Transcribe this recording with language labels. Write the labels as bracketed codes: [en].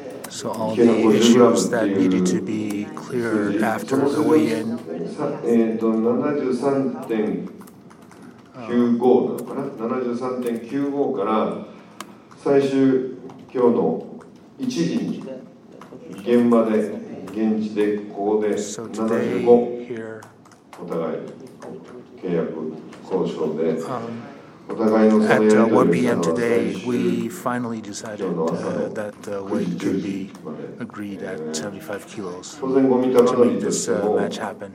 [en] So all the issues that needed to be cleared after the weigh-in. [ja] 73.95 から最終今日の1時に現場で現地でここで75お互い契約交渉で [en] At 1 p.m. today, we finally decided that the weight could be agreed at 75 kilos to make this match happen.